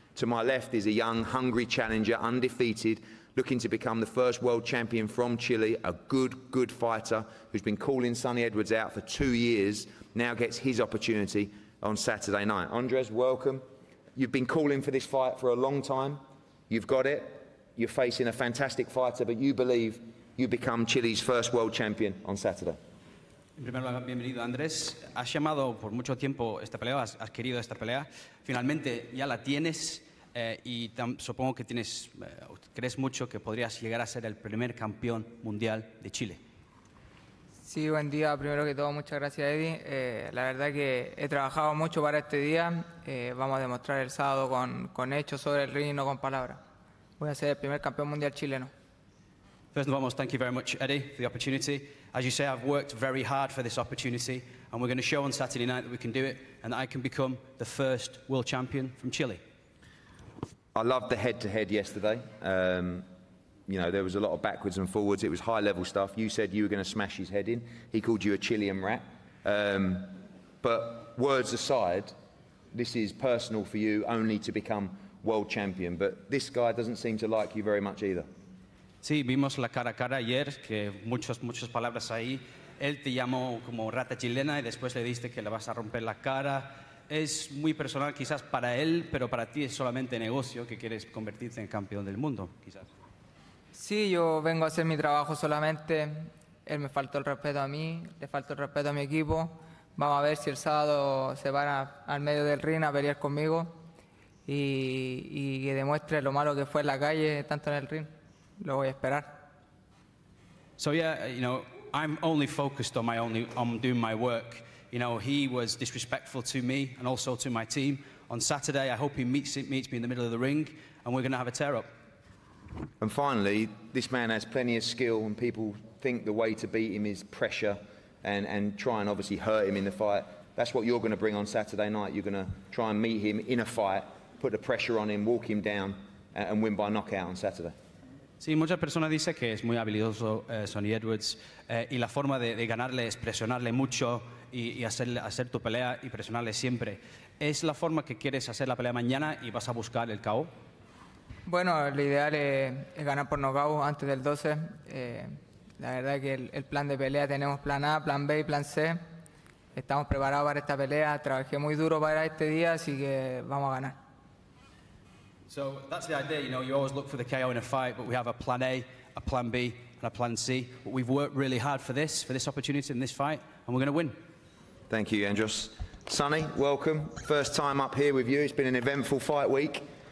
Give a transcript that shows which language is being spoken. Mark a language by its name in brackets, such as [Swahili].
[English] To my left is a young, hungry challenger, undefeated, looking to become the first world champion from Chile, a good, good fighter who's been calling Sonny Edwards out for 2 years, now gets his opportunity on Saturday night. Andres, welcome. You've been calling for this fight for a long time. You've got it. You're facing a fantastic fighter, but you believe you become Chile's first world champion on Saturday. [Spanish] En primer lugar, bienvenido, Andrés. Has llamado por mucho tiempo esta pelea, has querido esta pelea. Finalmente, ya la tienes y supongo que tienes, crees mucho que podrías llegar a ser el primer campeón mundial de Chile. Sí, buen día. Primero que todo, muchas gracias, Eddie. La verdad que he trabajado mucho para este día. Vamos a demostrar el sábado con hechos sobre el ring y no con palabras. Voy a ser el primer campeón mundial chileno. [English] First and foremost, thank you very much, Eddie, for the opportunity. As you say, I've worked very hard for this opportunity, and we're going to show on Saturday night that we can do it, and that I can become the first world champion from Chile. I loved the head-to-head yesterday. You know, there was a lot of backwards and forwards. It was high-level stuff. You said you were going to smash his head in. He called you a Chilean rat. But words aside, this is personal for you only to become world champion. But this guy doesn't seem to like you very much either. [Spanish] Sí, vimos la cara a cara ayer, que muchas palabras ahí. Él te llamó como rata chilena y después le diste que le vas a romper la cara. Es muy personal quizás para él, pero para ti es solamente negocio que quieres convertirte en campeón del mundo, quizás. Sí, yo vengo a hacer mi trabajo solamente. Él me faltó el respeto a mí, le faltó el respeto a mi equipo. Vamos a ver si el sábado se van al medio del ring a pelear conmigo y que demuestre lo malo que fue en la calle, tanto en el ring. Lo voy a esperar. [English] So yeah, you know, I'm only focused on doing my work. You know, he was disrespectful to me and also to my team. On Saturday, I hope he meets me in the middle of the ring and we're going to have a tear up. And finally, this man has plenty of skill and people think the way to beat him is pressure and try and obviously hurt him in the fight. That's what you're going to bring on Saturday night. You're going to try and meet him in a fight, put the pressure on him, walk him down and win by knockout on Saturday. [Spanish] Sí, muchas personas dicen que es muy habilidoso Sonny Edwards y la forma de ganarle es presionarle mucho y hacer tu pelea y presionarle siempre. ¿Es la forma que quieres hacer la pelea mañana y vas a buscar el KO? Bueno, lo ideal es ganar por nocaut antes del 12. La verdad es que el plan de pelea tenemos plan A, plan B y plan C. Estamos preparados para esta pelea. Trabajé muy duro para este día, así que vamos a ganar. [English] So that's the idea, you know, you always look for the KO in a fight, but we have a plan A, a plan B, and a plan C. But we've worked really hard for this opportunity in this fight, and we're going to win. Thank you, Andres. Sonny, welcome. First time up here with you. It's been an eventful fight week.